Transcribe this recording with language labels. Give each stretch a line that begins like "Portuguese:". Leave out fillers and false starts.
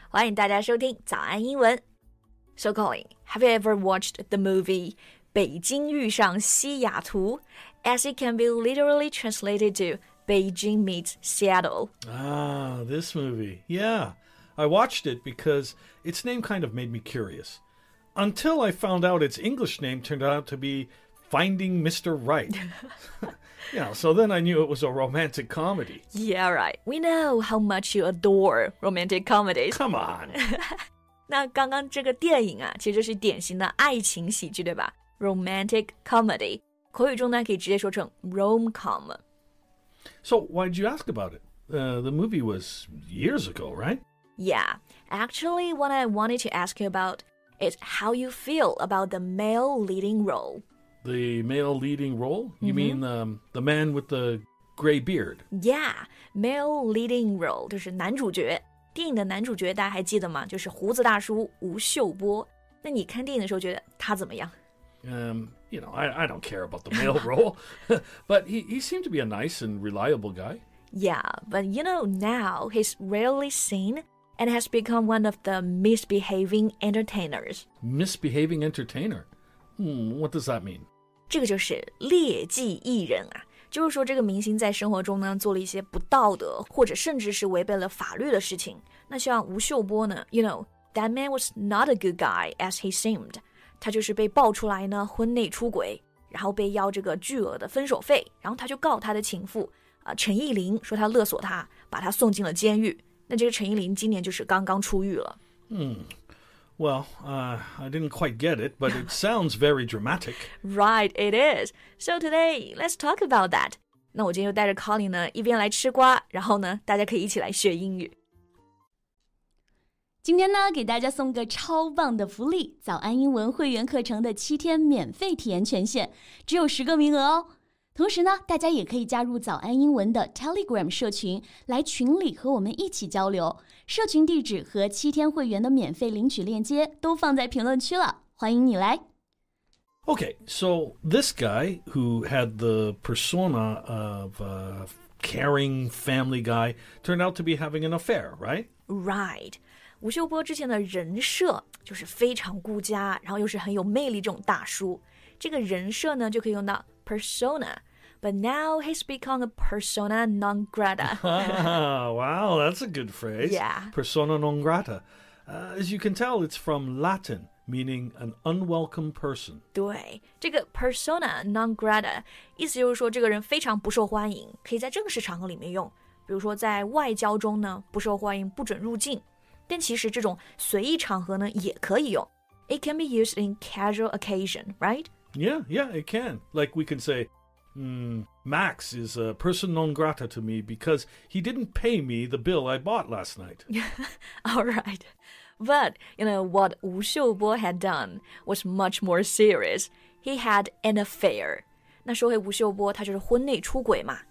Chinese: 欢迎大家收听早安英文。
English: So, Colin, have you ever watched the movie 北京遇上西雅图? As it can be literally translated to Beijing meets Seattle. Ah, this movie. Yeah, I watched it because its name kind of made me curious. Until I found out its English name turned out to be Finding Mr. Right. Yeah, so then I knew it was a romantic comedy. Yeah, right. We know how much you adore romantic comedies. Come on.
Chinese: 那刚刚这个电影啊，其实就是典型的爱情喜剧，对吧？
English: Romantic comedy.
Chinese: 口语中呢，可以直接说成 rom-com.
English: So why'd you ask about it? The movie was years ago, right? Yeah. Actually, what I wanted to ask you about is how you feel about the male leading role. The male leading role? You mean the man with the gray beard? Yeah, male leading role,
Chinese: 就是男主角。电影的男主角大家还记得吗？就是胡子大叔吴秀波。那你看电影的时候觉得他怎么样？
English: You know, I don't care about the male role, but he seemed to be a nice and reliable guy. Yeah, but you know, now he's rarely seen and has become one of the misbehaving entertainers. Misbehaving entertainer? What does that mean?
Chinese: 这个就是劣迹艺人啊，就是说这个明星在生活中呢做了一些不道德或者甚至是违背了法律的事情。那像吴秀波呢
English: ，You know that man was not a good guy as he seemed.
Chinese: 他就是被爆出来呢婚内出轨，然后被要这个巨额的分手费，然后他就告他的情妇啊、陈意林，说他勒索他，把他送进了监狱。那这个陈意林今年就是刚刚出狱了。
English: Well, I didn't quite get it, but it sounds very dramatic. Right, it is. So today, let's talk about that.
Chinese: 那我今天就带着 Colin 呢，一边来吃瓜，然后呢，大家可以一起来学英语。今天呢，给大家送个超棒的福利，早安英文会员课程的七天免费体验权限，只有十个名额哦。同时呢，大家也可以加入早安英文的 Telegram 社群，来群里和我们一起交流。社群地址和七天会员的免费领取链接都放在评论区了，欢迎你来。
English: Okay, so this guy who had the persona of a caring family guy turned out to be having an affair, right? Right.
Chinese: 吴秀波之前的人设就是非常顾家，然后又是很有魅力这种大叔。这个人设呢，就可以用到。
English: Persona, but now he's become a persona non grata. Wow, that's a good phrase. Yeah. Persona non grata. As you can tell, it's from Latin, meaning an unwelcome person.
Chinese: 对，这个 persona non grata 意思就是说这个人非常不受欢迎，可以在正式场合里面用，比如说在外交中呢，不受欢迎，不准入境。但其实这种随意场合呢，也可以用。
English: It can be used in casual occasion, right? Yeah, it can. Like we can say, Max is a person non grata to me because he didn't pay me the bill I bought last night. All right. But, you know, what 吴秀波had done was much more serious. He had an affair.
Chinese: 那说回吴秀波他就是婚内出轨嘛。